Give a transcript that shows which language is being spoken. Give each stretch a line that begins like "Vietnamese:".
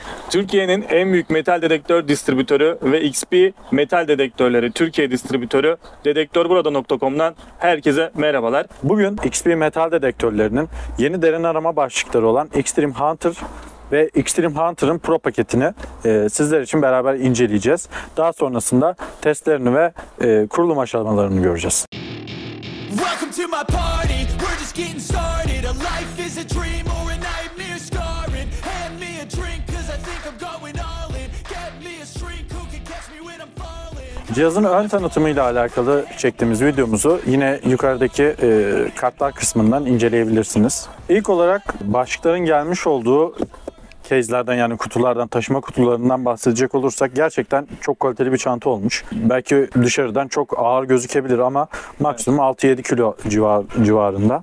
Turkish: Türkiye'nin en büyük metal dedektör distribütörü ve XP Metal Dedektörleri Türkiye distribütörü dedektörburada.com'dan herkese merhabalar. Bugün XP Metal Dedektörlerinin yeni derin arama başlıkları olan Extreme Hunter ve Extreme Hunter'ın Pro paketini sizler için beraber inceleyeceğiz. Daha sonrasında testlerini ve kurulum aşamalarını göreceğiz.
English: Welcome to my party. We're just getting started. A life is a dream or a nightmare scarring. Hand me a drink cause I think I'm going all in. Get me a shrink who can catch me when I'm falling.
Turkish: Cihazın ön tanıtımıyla alakalı çektiğimiz videomuzu yine yukarıdaki kartlar kısmından inceleyebilirsiniz. İlk olarak başlıkların gelmiş olduğu case'lerden, yani kutulardan, taşıma kutularından bahsedecek olursak gerçekten çok kaliteli bir çanta olmuş. Belki dışarıdan çok ağır gözükebilir ama maksimum 6-7 kilo civarında.